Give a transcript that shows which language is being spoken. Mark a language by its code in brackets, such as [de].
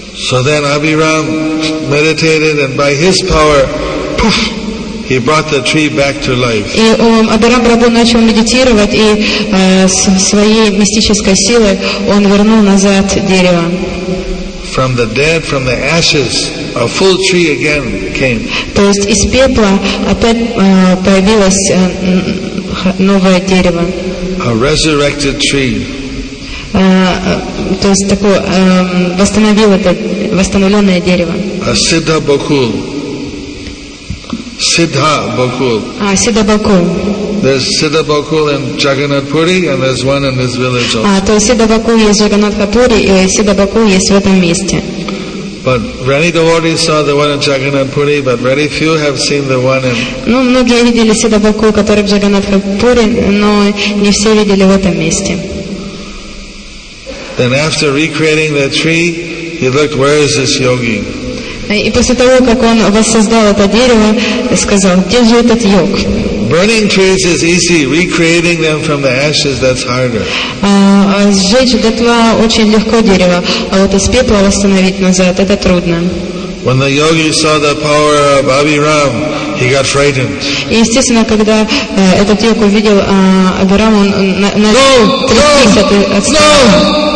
[en] So then Abhiram meditated, and by his power, poof, He brought the tree back to life. [ru] И Абирам Рабу начал медитировать, и своей мистической силой он вернул назад дерево. [en] From the dead, from the ashes, a full tree again came. [ru] То есть из пепла опять появилось новое дерево. [en] A resurrected tree. [ru] То есть такое восстановленное дерево. [en] A Siddha Bakul. Siddha Bakul. [ru] А Siddha Bakul. [en] There's Siddha Bakul in Jagannath Puri, and there's one in this village also. [ru] А то Siddha Bakul есть в Джаганатхапури, и Siddha Bakul есть в этом месте. [en] But many devotees saw the one in Jagannath Puri, but very few have seen the one in. [ru] Ну многие видели Siddha Bakul, который в Джаганатхапури, но не все видели в этом месте. [en] Then after recreating the tree, he looked, where is this yogi? [ru] И после того, как он воссоздал это дерево, сказал, где же этот йог? [en] Burning trees is easy. Recreating them from the ashes, that's harder. [ru] Сжечь дотла очень легко дерево, а вот из пепла восстановить назад, это трудно. [en] When the yogi saw the power of Abhiram, he got frightened. [ru] И естественно, когда этот йог увидел Абирам, он начал трястись от страха.